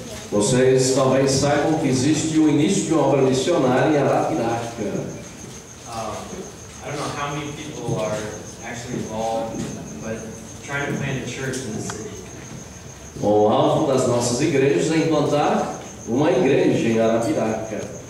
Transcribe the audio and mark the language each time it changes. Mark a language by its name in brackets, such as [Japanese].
[Portuguese] Vocês talvez saibam que existe o início de uma obra missionária lá em África. [English] I don't know how many people are actually involved, but trying to plant a church in the city. [Portuguese] O alvo das nossas igrejas é implantar uma igreja em Arapiraca.